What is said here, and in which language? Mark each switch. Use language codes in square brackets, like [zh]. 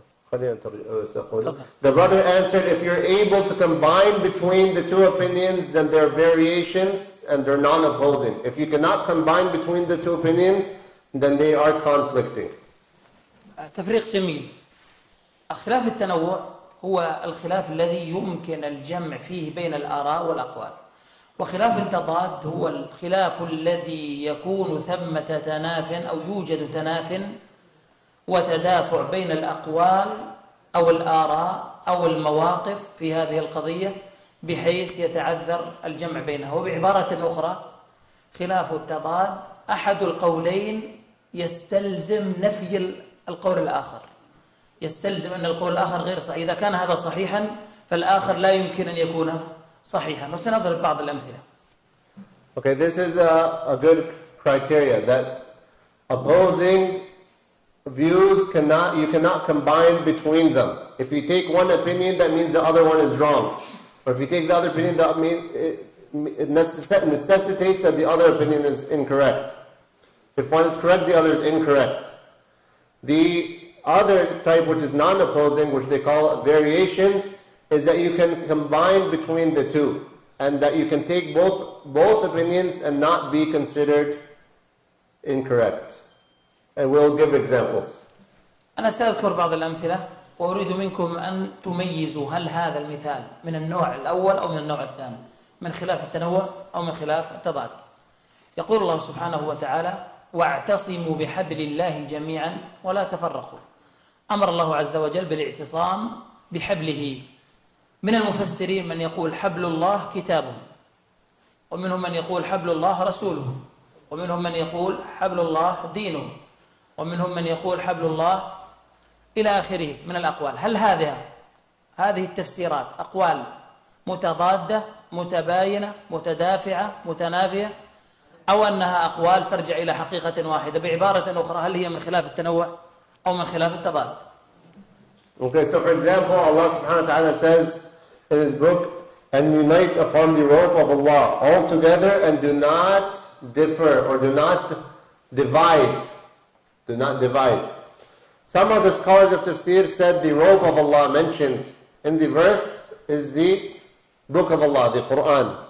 [en] The brother answered, if you're able to combine between the two opinions, then they're variations and they're non-opposing. If you cannot combine between the two opinions, then they are conflicting. [ar] تفريق جميل. اختلاف التنوع هو الخلاف الذي يمكن الجمع فيه بين الآراء والأقوال وخلاف التضاد هو الخلاف الذي يكون ثمة تناف أو يوجد تناف وتدافع بين الأقوال أو الآراء أو المواقف في هذه القضية بحيث يتعذر الجمع بينها وبعبارة أخرى خلاف التضاد أحد القولين يستلزم نفي القول الآخر يستلزم أن القول الآخر غير صحيح إذا كان هذا صحيحا فالآخر لا يمكن أن يكون صحيحا وسنضرب بعض الأمثلة. [en] Okay, this is a good criteria that opposing views cannot, you cannot combine between them. If you take one opinion, that means the other one is wrong. Or if you take the other opinion, that means it necessitates that the other opinion is incorrect. If one is correct, the other is incorrect. The other type, which is non-opposing, which they call variations, is that you can combine between the two, and that you can take both opinions and not be considered incorrect. And we'll give examples. [ar] أنا سأذكر بعض الأمثلة وأريد منكم أن تميزوا هل هذا المثال من النوع الأول أو من النوع الثاني من خلاف التنوع أو من خلاف التضاد. يقول الله سبحانه وتعالى واعتصموا بحبل الله جميعا ولا تفرقوا أمر الله عز وجل بالاعتصام بحبله من المفسرين من يقول حبل الله كتابه ومنهم من يقول حبل الله رسوله ومنهم من يقول حبل الله دينه ومنهم من يقول حبل الله إلى آخره من الأقوال هل هذه التفسيرات أقوال متضادة متباينة متدافعة متنافية أو أنها أقوال ترجع إلى حقيقة واحدة بعبارة أخرى هل هي من خلاف التنوع؟ [en] Okay, so for example, Allah subhanahu wa ta'ala says in his book, and unite upon the rope of Allah all together and do not differ or do not divide. Do not divide. Some of the scholars of tafsir said the rope of Allah mentioned in the verse is the book of Allah, the Quran.